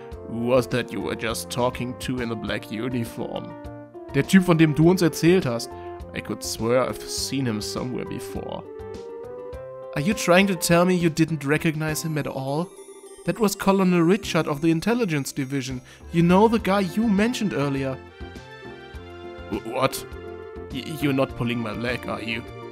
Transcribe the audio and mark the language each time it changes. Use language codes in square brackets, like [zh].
[en] Who was that you were just talking to in the black uniform? [de] Der Typ, von dem du uns erzählt hast. [en] I could swear I've seen him somewhere before. Are you trying to tell me you didn't recognize him at all? That was Colonel Richard of the Intelligence Division. You know, the guy you mentioned earlier. What? You're not pulling my leg, are you?